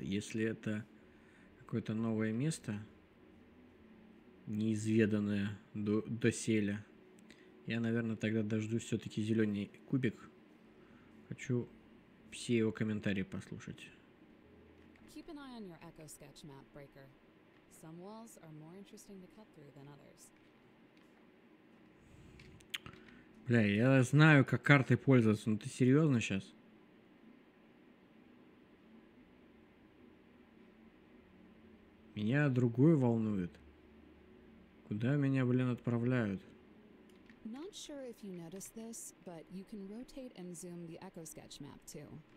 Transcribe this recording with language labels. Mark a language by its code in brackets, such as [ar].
[ru] Если это какое-то новое место, неизведанное доселе, я, наверное, тогда дождусь все-таки зеленый кубик. Хочу все его комментарии послушать. [en] Keep an eye on your echo sketch map breaker. Some walls are more interesting to cut through than others. [ru] Бля, я знаю, как картой пользоваться, но ты серьезно сейчас? Меня другое волнует. Куда меня, блин, отправляют? [en] Not sure if you noticed this, but you can rotate and zoom the echo sketch map too.